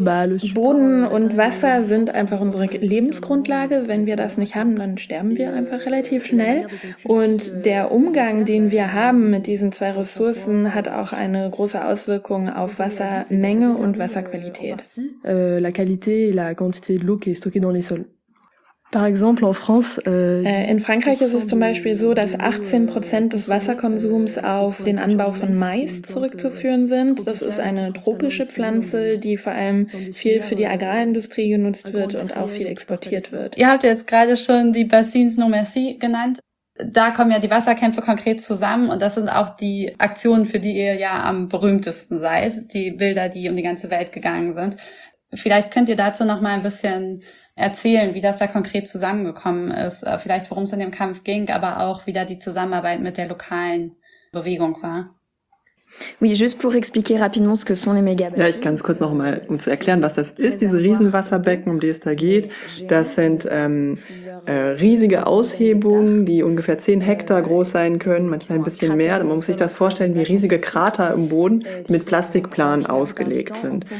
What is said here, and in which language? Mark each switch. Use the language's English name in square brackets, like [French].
[German] Boden und Wasser sind einfach unsere Lebensgrundlage. Wenn wir das nicht haben, dann sterben wir einfach relativ schnell. Und der Umgang, den wir haben mit diesen zwei Ressourcen, hat auch eine große Auswirkung auf Wassermenge und Wasserqualität. [French] La qualité et la quantité de l'eau qui est stockée dans les sols. Par exemple, en France, [German] in Frankreich ist es zum Beispiel so, dass 18% des Wasserkonsums auf den Anbau von Mais zurückzuführen sind. Das ist eine tropische Pflanze, die vor allem viel für die Agrarindustrie genutzt wird und auch viel exportiert wird. Ihr habt jetzt gerade schon die Bassins No Merci genannt. Da kommen ja die Wasserkämpfe konkret zusammen und das sind auch die Aktionen, für die ihr ja am berühmtesten seid. Die Bilder, die um die ganze Welt gegangen sind. Vielleicht könnt ihr dazu noch mal ein bisschen erzählen, wie das da konkret zusammengekommen ist. Vielleicht, worum es in dem Kampf ging, aber auch, wie da die Zusammenarbeit mit der lokalen Bewegung war. [French] Oui, juste pour expliquer rapidement ce que sont les mégabassins. [German] Ja, ich ganz kurz noch mal, um zu erklären, was das ist, diese Riesenwasserbecken, um die es da geht. Das sind riesige Aushebungen, die ungefähr 10 Hektar groß sein können, manchmal ein bisschen mehr. Man muss sich das vorstellen wie riesige Krater im Boden, die mit Plastikplanen ausgelegt sind.